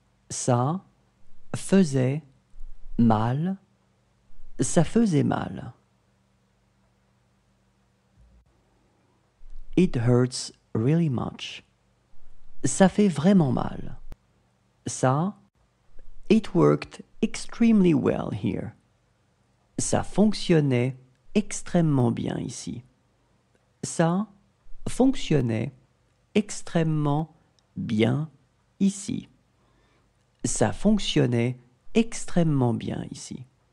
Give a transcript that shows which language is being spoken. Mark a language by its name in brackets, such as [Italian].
[French] Ça faisait mal. Ça faisait mal. [English] It hurts really much. [French] Ça fait vraiment mal. Ça [English] It worked extremely well here. [French] Ça fonctionnait extrêmement bien ici. Ça fonctionnait extrêmement bien ici. Ça fonctionnait extrêmement bien ici.